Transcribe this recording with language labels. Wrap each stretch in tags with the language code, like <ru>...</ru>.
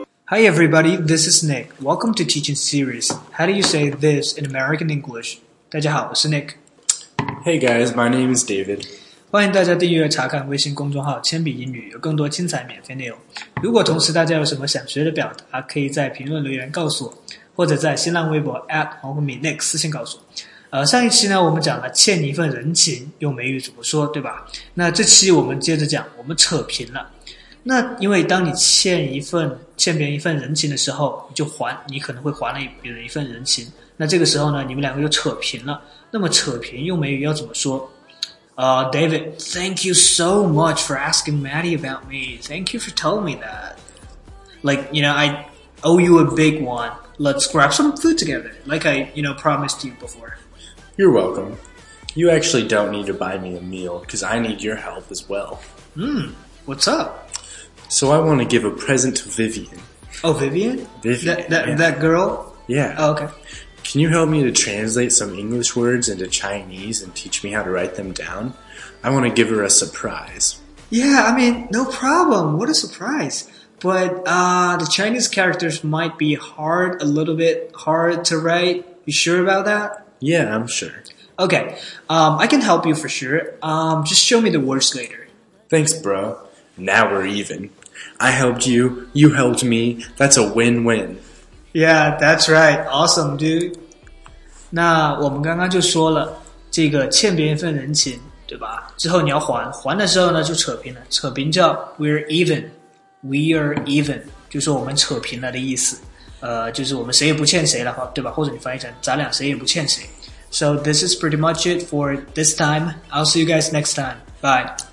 <en>Hi everybody, this is Nick. Welcome to Teaching Series. How do you say this in American English?</en> <zh>大家好，我是 Nick.</zh> <en>Hey guys, my name is David.</en> <zh>欢迎大家订阅查看微信公众号铅笔英语，有更多精彩免费内容。如果同时大家有什么想学的表达，可以在评论留言告诉我，或者在新浪微博 @ 黄昏米 Nick 私信告诉我。上一期呢，我们讲了欠你一份人情，用美语怎么说，对吧？那这期我们接着讲，我们扯平了。那因为当你欠别人一份人情的时候，你可能会还了别人一份人情。那这个时候呢，你们两个就扯平了。那么扯平用美语要怎么说？</zh> <en>David, thank you so much for asking Maddie about me. Thank you for telling me that. Like, you know, I owe you a big one. Let's grab some food together, like I, you know, promised you before. You're welcome. You actually don't need to buy me a meal, because I need your help as well. What's up? So I want to give a present to Vivian. Oh, Vivian? That girl? Yeah. Oh, okay. Can you help me to translate some English words into Chinese and teach me how to write them down? I want to give her a surprise. Yeah, I mean, no problem. What a surprise. But, the Chinese characters might be a little bit hard to write. You sure about that? Yeah, I'm sure. Okay, I can help you for sure. Just show me the words later. Thanks, bro. Now we're even. I helped you, you helped me. That's a win-win. Yeah, that's right. Awesome, dude.</en> <zh>那我们刚刚就说了，这个欠别人一份人情，对吧？之后你要还，还的时候呢就扯平了。扯平叫</zh> <en>we're even. We are even.</en> <zh>就是我们扯平了的意思。就是我们谁也不欠谁了，对吧？或者你翻译成咱俩谁也不欠谁。</zh> <en>So this is pretty much it for this time. I'll see you guys next time. Bye.</en>